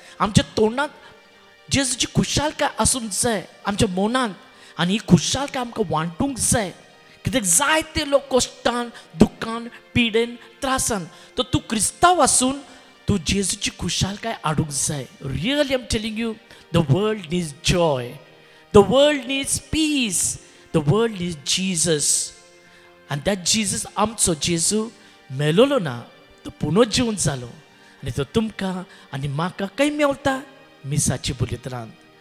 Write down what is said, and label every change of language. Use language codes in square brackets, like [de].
[kok] आमच्या तोंडाक जेजूची खुशालकाय आसूंक जाय आमच्या मनांत. आनी ही खुशालकाय आमकां वांटूंक जाय, कित्याक जायते लोक कश्टान दुखान पिडेन त्रासान. तर तूं क्रिस्तांव आसून तूं जेजूची खुशालकाय हाडूंक जाय. [en] Really I am telling you, the world needs joy, the world needs peace, the world needs Jesus. [kok] आनी [en] that Jesus [kok] आमचो जेजू मेलोलो ना, तो पुनर्जीवन जालो. आनी तो तुमकां आनी म्हाका काय मेवता, मिसाची बुलेतरांत.